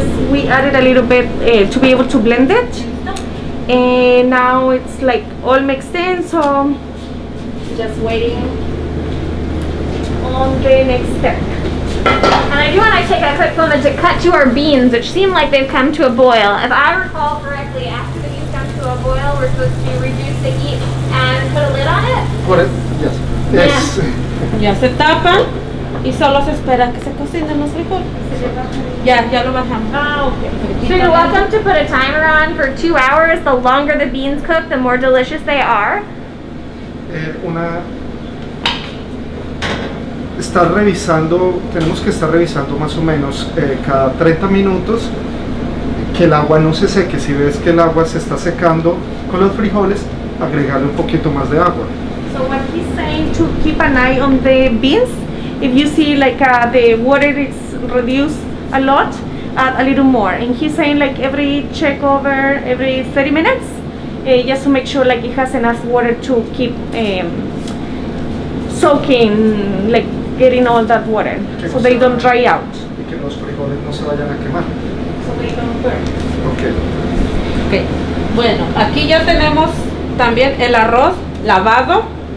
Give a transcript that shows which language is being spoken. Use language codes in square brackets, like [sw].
[en] We added a little bit to be able to blend it, and now it's like all mixed in, so just waiting on the next step. And I do want to take a quick moment to cut to our beans, which seem like they've come to a boil. If I recall correctly, after the beans come to a boil, we're supposed to reduce the heat and put a lid on it? Put it, yes. Yes. [es] Ya se tapa. Y solo se espera que se cocine los frijoles. Ya lo bajamos. [en] Ah, okay. So you're welcome to put a timer on for 2 hours. The longer the beans cook, the more delicious they are. [es] Estar revisando, tenemos que estar revisando más o menos cada 30 minutos que el agua no se seque. Si ves que el agua se está secando con los frijoles, agregarle un poquito más de agua. [en] So what he's saying to keep an eye on the beans. If you see like the water is reduced a lot, add a little more. And he's saying like every check over, every 30 minutes, just to make sure like it has enough water to keep soaking, like getting all that water, so they don't dry out. [es] Y que los frijoles no se vayan a quemar. [en] So they don't burn. Okay. [es] Bueno, aquí ya tenemos también el arroz lavado.